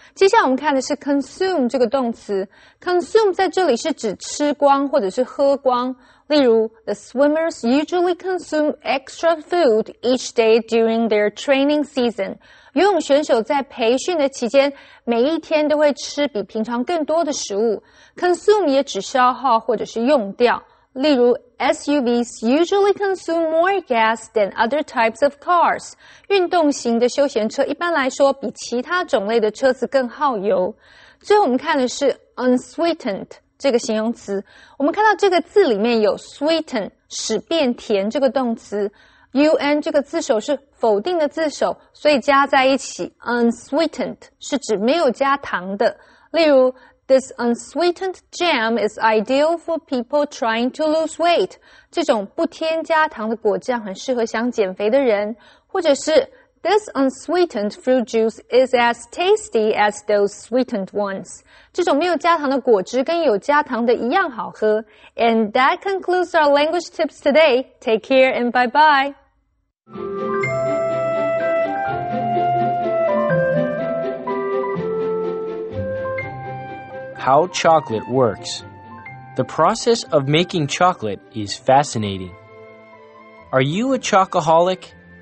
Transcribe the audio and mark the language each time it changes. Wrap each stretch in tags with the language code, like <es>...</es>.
<zh>接下来我们看的是 consume 这个动词。consume 在这里是指吃光或者是喝光。例如</zh> <en>,the swimmers usually consume extra food each day during their training season.</en> <zh>游泳选手在培训的期间每一天都会吃比平常更多的食物。 consume 也指消耗或者是用掉。例如</zh> <en>,SUVs usually consume more gas than other types of cars.</en> <zh>运动型的休闲车一般来说比其他种类的车子更耗油。最后我们看的是 unsweetened 这个形容词。我们看到这个字里面有 sweeten, 使变甜这个动词。 un 这个字首是否定的字首，所以加在一起 unsweetened 是指没有加糖的。例如</zh> <en>This unsweetened jam is ideal for people trying to lose weight.</en> <zh>这种不添加糖的果酱很适合想减肥的人。或者是</zh> <en>This unsweetened fruit juice is as tasty as those sweetened ones.</en> <zh>这种没有加糖的果汁跟有加糖的一样好喝。</zh> <en>And that concludes our language tips today. Take care and bye-bye. How chocolate works. The process of making chocolate is fascinating. Are you a chocoholic?</en>